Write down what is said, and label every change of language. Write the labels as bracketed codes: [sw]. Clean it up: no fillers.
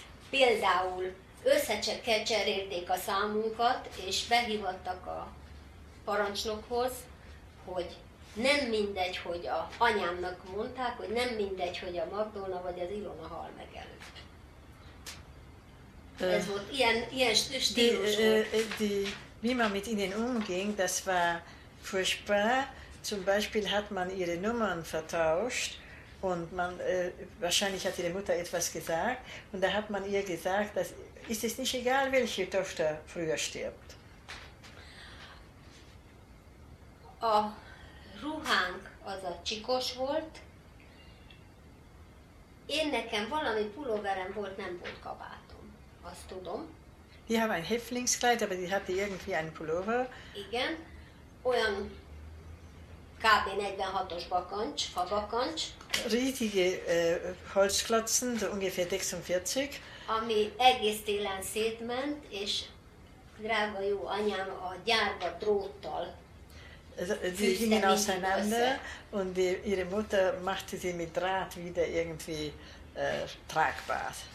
[hu] Például összecserélték a számunkat, és behívattak a parancsnokhoz, hogy nem mindegy, hogy a anyámnak mondták, hogy nem mindegy, hogy a Magdolna vagy az Ilona hal meg előtt. Ez volt ilyen stílus volt. [de] Wie man mit ihnen umging, das war furchtbar. Zum Beispiel hat man ihre Nummern vertauscht und wahrscheinlich hat ihre Mutter etwas gesagt und da hat man ihr gesagt, dass ist es nicht egal, welche Tochter früher stirbt. [hu] A ruhánk az a csikos volt. Én nekem valami pulóverem volt, nem volt kabátom. Azt tudom. [de] Die haben ein Häftlingskleid, aber die hatte irgendwie einen Pullover. [hu] Igen, olyan kb. 46-os bakancs, fabakancs. [de] Riesige Holzklotzen, so ungefähr 46. [hu] Ami egész télen szétment, és drága jó anyám a gyárba dróttal. [de] Sie gingen auseinander und ihre Mutter machte sie mit Draht wieder irgendwie tragbar.